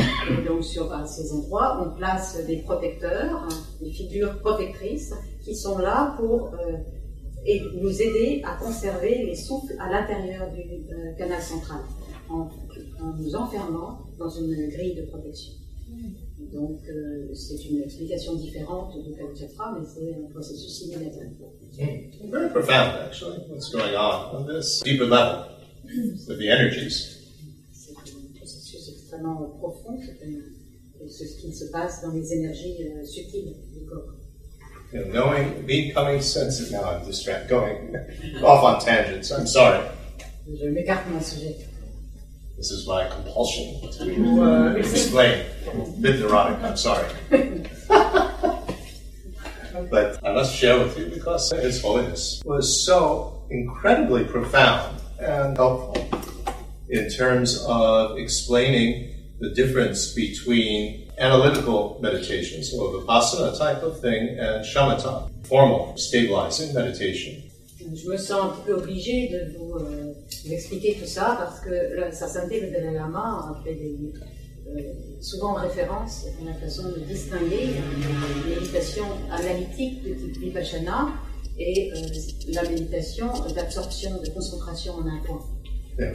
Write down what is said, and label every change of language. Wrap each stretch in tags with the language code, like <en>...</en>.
<fr>Et donc sur ces endroits, on place des protecteurs, des figures protectrices, qui sont là pour et nous aider à conserver les souffles à l'intérieur du canal central en nous enfermant dans une grille de protection. Donc c'est une explication différente du Kalachakra, mais c'est un processus similaire.</fr> <en>Very profound, actually, what's going on this deeper level with the energies.</en> <fr>C'est un processus extrêmement profond, ce qui se passe dans les énergies subtiles du corps.</fr> <en>You know, knowing, becoming sensitive. Now I'm distracted, going off on tangents. I'm sorry.</en> <fr>Je m'écarte de mon sujet.</fr> <en>This is my compulsion to explain. A bit neurotic, I'm sorry. But I must share with you because His Holiness was so incredibly profound and helpful in terms of explaining the difference between analytical meditation, so a Vipassana type of thing, and shamatha, formal, stabilizing meditation.</en> <fr>Je me sens un petit peu obligé de vous expliquer tout ça parce que Sa Sainteté le Dalai Lama a fait souvent référence à la façon de distinguer la méditation analytique de type Vipassana et la méditation d'absorption, de concentration en un point.</fr>